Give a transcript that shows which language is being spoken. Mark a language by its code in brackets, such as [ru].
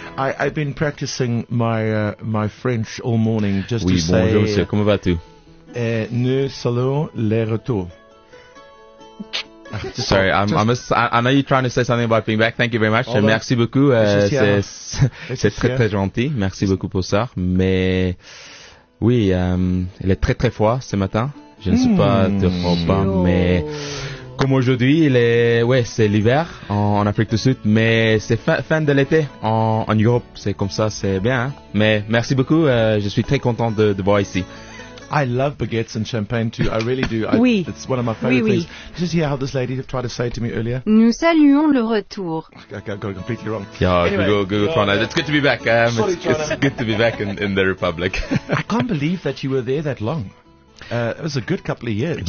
[en] I've been practicing my French all morning just [fr] oui, [en] to [fr] bonjour, [en] say... [fr] Oui, bonjour, sir. Comment vas-tu? Nous saluons le retour. [en] Sorry, I know you're trying to say something about being back. Thank you very much. [fr] Merci beaucoup. C'est très très gentil. Merci beaucoup pour ça. Mais oui, il est très très froid ce matin. Je ne sais pas de quoi pas, mais comme aujourd'hui, c'est l'hiver en Afrique du Sud, mais c'est fin de l'été en Europe. C'est comme ça, c'est bien. Hein? Mais merci beaucoup. Je suis très content de voir ici. [en] I love baguettes and champagne too. I really do. It's one of my favorite things. Just hear how this lady tried to say it to me earlier. [fr] Nous saluons le retour. [en] Okay, I got it completely wrong. Yeah, anyway, Google Toronto. It's good to be back. It's good to be back in the Republic. I can't believe that you were there that long. It was a good couple of years.